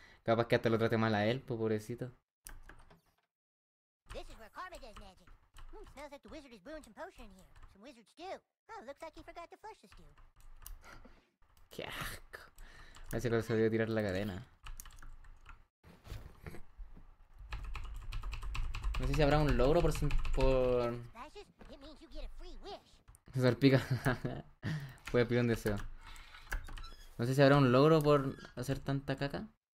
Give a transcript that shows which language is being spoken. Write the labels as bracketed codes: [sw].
[es] Capaz que hasta lo trate mal a él, pues, pobrecito. [en] This is where Karma does magic. Smells like the wizard is brewing some potion here. Some wizard stew. Oh, looks like he forgot to flush the stew. [es] Qué asco. A ver si lo sabía tirar la cadena. No sé si habrá un logro por... Se salpica. Voy a pedir un deseo. No sé si habrá un logro por hacer tanta caca.